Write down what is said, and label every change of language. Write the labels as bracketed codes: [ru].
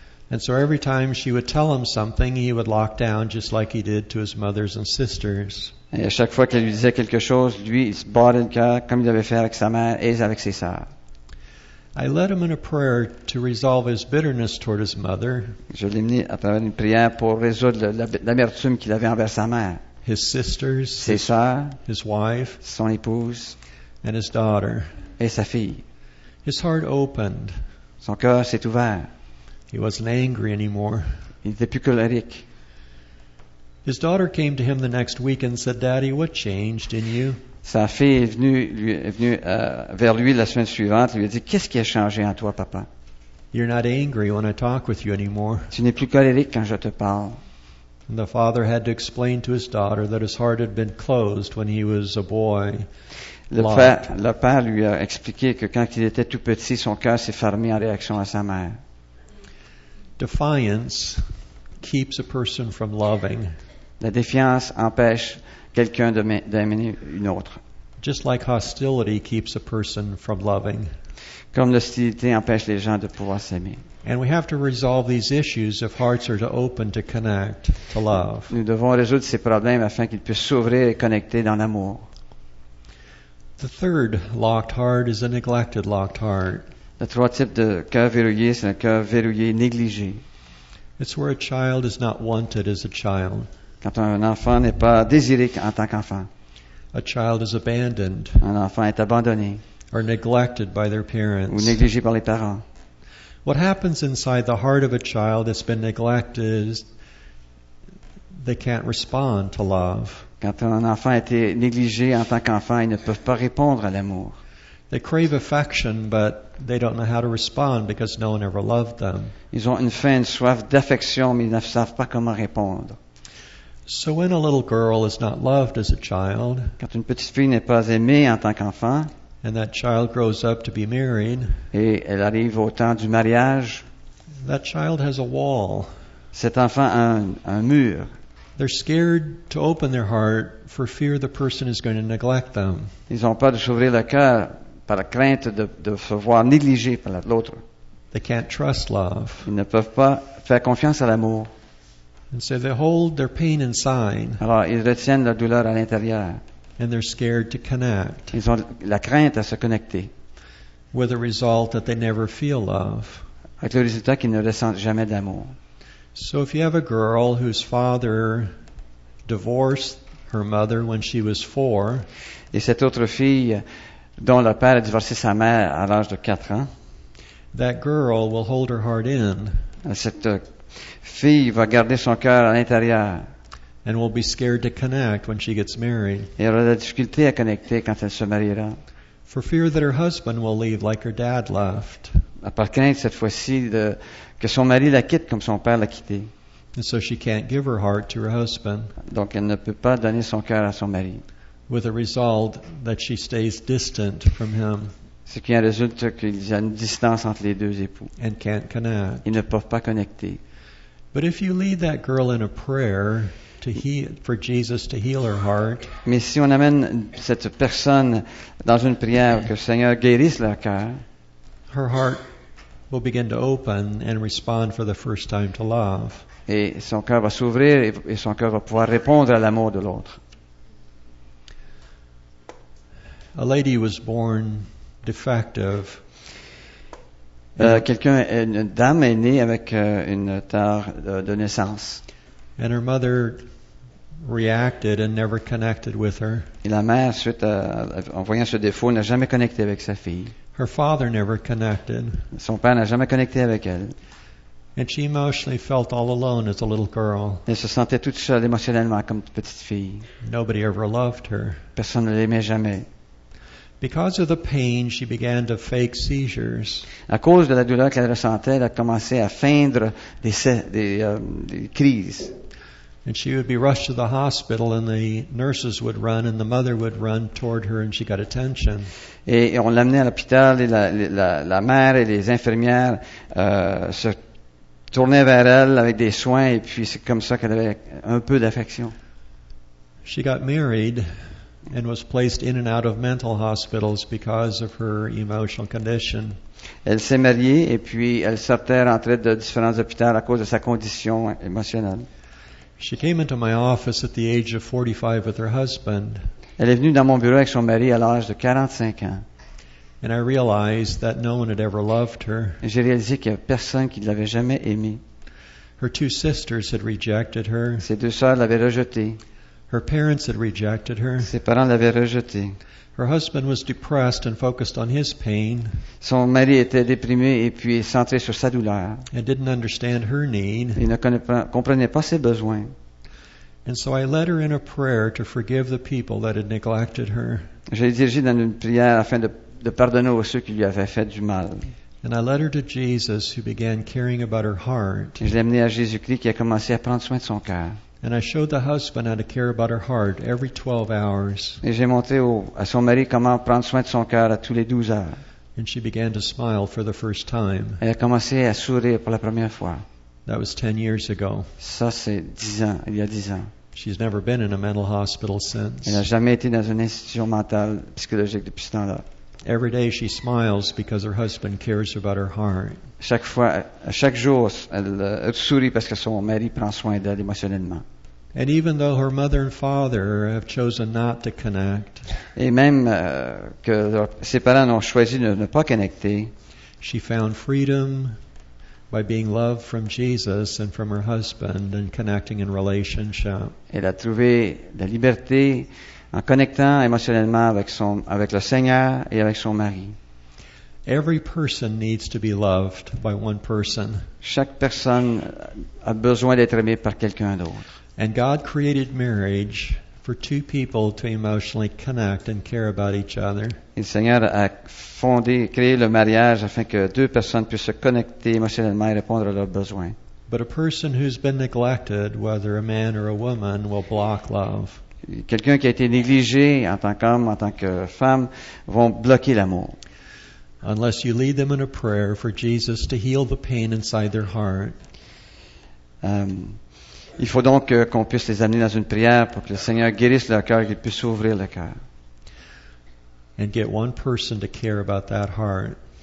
[en] And so every time she would tell him something, he would lock down just like he did to his mothers and sisters. [fr] Et à chaque fois qu'elle lui disait quelque chose, lui, il se barrait le cœur comme il avait fait avec sa mère et avec ses sœurs. [en] I led him in a prayer to resolve his bitterness toward his mother. [fr] Je l'ai mené à travers une prière pour résoudre l'amertume qu'il avait envers sa mère. [en] His sisters. [fr] Ses sœurs. [en] His wife. [fr] Son épouse. [en] And his daughter. [fr] Et sa fille. [en] His heart opened. [fr] Son cœur s'est ouvert. [en] He wasn't angry anymore. [fr] Il n'était plus colérique. [en] His daughter came to him the next week and said, "Daddy, what changed in you?" [fr] Sa fille est venue vers lui la semaine suivante. Lui a dit, "Qu'est-ce qui a changé en toi, papa?" [en] "You're not angry when I talk with you anymore." [fr] Tu n'es plus colérique quand je te parle. [en] And the father had to explain to his daughter that his heart had been closed when he was a boy. [fr] Le père lui a expliqué que quand il était tout petit, son cœur s'est fermé en réaction à sa mère. [en] Defiance keeps a person from loving. [fr] La défiance empêche quelqu'un d'aimer une autre. [en] Just like hostility keeps a person from loving. [fr] Comme l'hostilité empêche les gens de pouvoir s'aimer. [en] And we have to resolve these issues if hearts are to open to connect to love. [fr] Nous devons résoudre ces problèmes afin qu'ils puissent s'ouvrir et connecter dans l'amour. [en] The third locked heart is a neglected locked heart. [fr] Le trois type de cœur verrouillé, c'est un cœur verrouillé négligé. [en] It's where a child is not wanted as a child. [fr] Quand un enfant n'est pas désiré en tant qu'enfant. [en] A child is abandoned. [fr] Un enfant est abandonné. [en] Or neglected by their parents. [fr] Ou négligé par les parents. [en] What happens inside the heart of a child that's been neglected is they can't respond to love. [fr] Quand un enfant a été négligé en tant qu'enfant, ils ne peuvent pas répondre à l'amour. [en] They crave affection, but they don't know how to respond because no one ever loved them. [fr] Ils ont une faim, une soif d'affection, mais ils ne savent pas comment répondre. [en] So when a little girl is not loved as a child, [fr] quand une petite fille n'est pas aimée en tant qu'enfant, [en] and that child grows up to be married, [fr] et elle arrive au temps du mariage, [en] that child has a wall. [fr] Cet enfant a un mur. [en] They're scared to open their heart for fear the person is going to neglect them. [fr] Ils ont peur de s'ouvrir le cœur par la crainte de se voir négligé par l'autre. [en] They can't trust love. [fr] Ils ne peuvent pas faire confiance à l'amour. [en] And so they hold their pain inside. [fr] Alors, ils retiennent leur douleur à l'intérieur. [en] And they're scared to connect. [fr] Ils ont la crainte à se connecter. [en] With the result that they never feel love. [fr] Avec le résultat qu'ils ne ressentent jamais d'amour. [en] So if you have a girl whose father divorced her mother when she was 4, [fr] et cette autre fille dont le père a divorcé sa mère à l'âge de 4 ans, [en] that girl will hold her heart in. [fr] Cette fille va garder son cœur à l'intérieur. [en] and will be scared to connect when she gets married. [fr] Et elle aura de la difficulté à connecter quand elle se mariera. [en] For fear that her husband will leave like her dad left. [fr] Par crainte cette fois-ci de, que son mari la quitte comme son père l'a quitté. [en] And so she can't give her heart to her husband. [fr] Donc elle ne peut pas donner son cœur à son mari. [en] With a result that she stays distant from him. [fr] Ce qui en résulte qu'il y a une distance entre les deux époux. [en] And can't connect. [fr] Ils ne peuvent pas connecter. [en] But if you lead that girl in a prayer to heal, for Jesus to heal her heart. [fr] Mais si on amène cette personne dans une prière que le Seigneur guérisse leur cœur. [en] Her heart will begin to open and respond for the first time to love. [fr] Et son cœur va s'ouvrir et son cœur va pouvoir répondre à l'amour de l'autre. [en] A lady was born defective. [fr] Quelqu'un, une dame est née avec une tare de naissance. [en] And her mother reacted and never connected with her. [fr] Et la mère, suite à, en voyant ce défaut, n'a jamais connecté avec sa fille. [en] Her father never connected. [fr] Son père n'a jamais connecté avec elle. [en] And she emotionally felt all alone as a little girl. [fr] Elle se sentait toute seule émotionnellement comme une petite fille. [en] Nobody ever loved her. [fr] Personne ne l'aimait jamais. [en] Because of the pain, she began to fake seizures. [fr] À cause de la douleur qu'elle ressentait, elle a commencé à feindre des crises. [en] And she would be rushed to the hospital, and the nurses would run, and the mother would run toward her, and she got attention. [fr] Et on l'amenait à l'hôpital, et la mère et les infirmières se tournaient vers elle avec des soins, et puis c'est comme ça qu'elle avait un peu d'affection. [en] She got married. And was placed in and out of mental hospitals because of her emotional condition. [fr] Elle s'est mariée et puis elle sortait rentrée de différents hôpitaux à cause de sa condition émotionnelle. [en] She came into my office at the age of 45 with her husband. [fr] Elle est venue dans mon bureau avec son mari à l'âge de 45 ans. [en] And I realized that no one had ever loved her. [fr] Et j'ai réalisé qu'il y a personne qui l'avait jamais aimée. [en] Her two sisters had rejected her. [fr] Ses deux sœurs l'avaient rejetée. [en] Her parents had rejected her. [fr] Ses parents l'avaient rejetée. [en] Her husband was depressed and focused on his pain. [fr] Son mari était déprimé et puis centré sur sa douleur. [en] And didn't understand her need. [fr] Il ne comprenait pas ses besoins. [en] And so I led her in a prayer to forgive the people that had neglected her. [fr] J'ai dirigé dans une prière afin de pardonner à ceux qui lui avaient fait du mal. [en] And I led her to Jesus, who began caring about her heart. [fr] Et je l'ai amenée à Jésus-Christ qui a commencé à prendre soin de son cœur. [en] And I showed the husband how to care about her heart every 12 hours. [fr] Et j'ai montré à son mari comment prendre soin de son cœur à tous les 12 heures. [en] And she began to smile for the first time. [fr] Elle a commencé à sourire pour la première fois. [en] That was 10 years ago. [fr] Ça c'est 10 ans, il y a 10 ans. [en] She's never been in a mental hospital since. [fr] Elle n'a jamais été dans une institution mentale psychologique depuis ce temps-là. [en] Every day she smiles because her husband cares about her heart. [fr] Chaque fois, chaque jour, elle sourit parce que son mari prend soin d'elle émotionnellement. [en] And even though her mother and father have chosen not to connect, [fr] et même que ses parents ont choisi de ne pas connecter, [en] she found freedom by being loved from Jesus and from her husband and connecting in relationship. [fr] Elle a trouvé la liberté en connectant émotionnellement avec le Seigneur et avec son mari. [en] Every person needs to be loved by one person. [fr] Chaque personne a besoin d'être aimée par quelqu'un d'autre. [en] And God created marriage for two people to emotionally connect and care about each other. [fr] Et le Seigneur a fondé, créé le mariage afin que deux personnes puissent se connecter émotionnellement et répondre à leurs besoins. [en] But a person who's been neglected, whether a man or a woman, will block love. [fr] Quelqu'un qui a été négligé en tant qu'homme, en tant que femme, vont bloquer l'amour. [en] Unless you lead them in a prayer for Jesus to heal the pain inside their heart. [fr] Il faut donc qu'on puisse les amener dans une prière pour que le Seigneur guérisse leur cœur et qu'il puisse ouvrir le cœur. [en] And get one person to care about that heart.